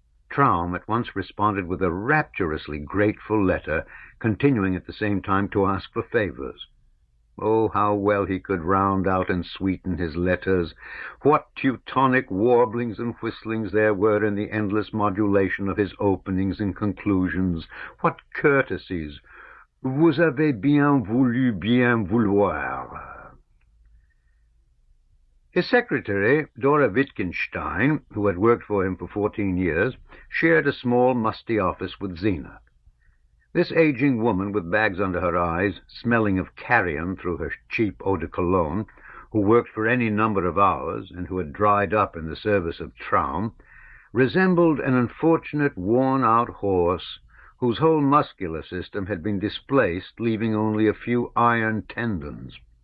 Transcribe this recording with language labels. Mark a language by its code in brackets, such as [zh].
[en] Traum at once responded with a rapturously grateful letter, continuing at the same time to ask for favors. Oh, how well he could round out and sweeten his letters! What Teutonic warblings and whistlings there were in the endless modulation of his openings and conclusions! What courtesies! [fr] Vous avez bien voulu bien vouloir. [en] His secretary, Dora Wittgenstein, who had worked for him for 14 years, shared a small, musty office with Zena. This aging woman, with bags under her eyes, smelling of carrion through her cheap eau de cologne, who worked for any number of hours, and who had dried up in the service of Traum, resembled an unfortunate, worn-out horse whose whole muscular system had been displaced, leaving only a few iron tendons.